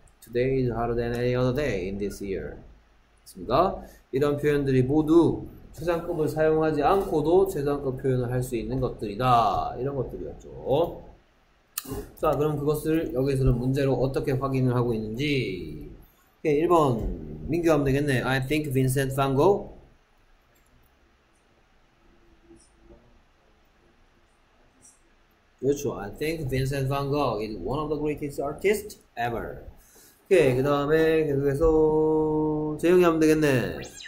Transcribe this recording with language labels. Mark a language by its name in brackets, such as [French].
[English] today is hotter than any other day in this year. [Korean] 있습니다. 이런 표현들이 모두 최상급을 사용하지 않고도 최상급 표현을 할수 있는 것들이다. 이런 것들이었죠. 자, 그럼 그것을 여기서는 문제로 어떻게 확인을 하고 있는지. 오케이, 1번. 민규 하면 되겠네. [English] I think Vincent van Gogh. [Korean] 그렇죠. [English] I think Vincent van Gogh is one of the greatest artists ever. [Korean] 오케이, 그 다음에 계속해서 재영이 하면 되겠네.